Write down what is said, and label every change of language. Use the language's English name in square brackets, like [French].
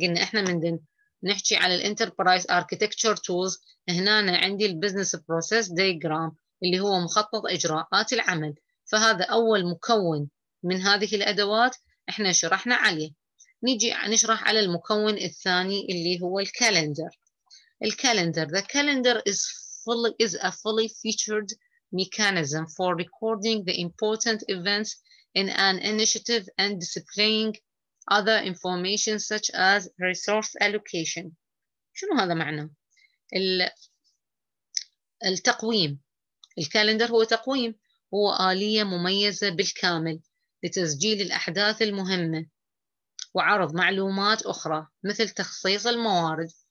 [Arabic] قلنا إحنا من نحكي على الانتربرايز أركيتكتشر تولز، هنا أنا عندي البزنس بروسيس دايجرام اللي هو مخطط إجراءات العمل، فهذا أول مكون من هذه الأدوات إحنا شرحنا عليه. نيجي نشرح على المكون الثاني اللي هو الكالندر. [English] الكالندر، the calendar is a fully featured mechanism for recording the important events in an initiative and displaying other information such as resource allocation. [Arabic] شنو هذا معنى؟ التقويم، الكالندر هو تقويم، هو آلية مميزة بالكامل لتسجيل الأحداث المهمة وعرض معلومات أخرى مثل تخصيص الموارد.